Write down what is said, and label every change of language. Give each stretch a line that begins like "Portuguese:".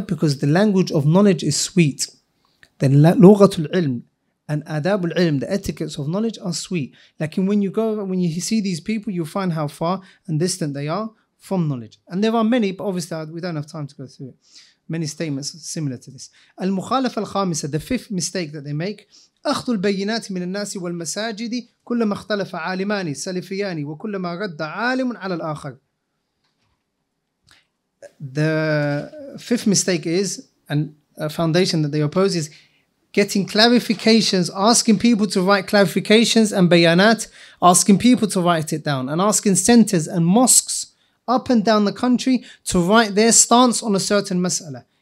English: Because the language of knowledge is sweet. The lughatul ilm and adabul ilm, the etiquettes of knowledge, are sweet. Like, when you go, when you see these people, you find how far and distant they are from knowledge. And there are many, but obviously we don't have time to go through it. Many statements similar to this. Al-mukhalaf al-khamisa, the fifth mistake that they make,
Arabic: أخذ البينات من الناس والمساجد كلما اختلف عالمان سلفيان وكلما رد عالم على الآخر.
English: The fifth mistake is, and a foundation that they oppose, is getting clarifications, asking people to write clarifications and bayanat, asking people to write it down, and asking centers and mosques up and down the country to write their stance on a certain mas'ala.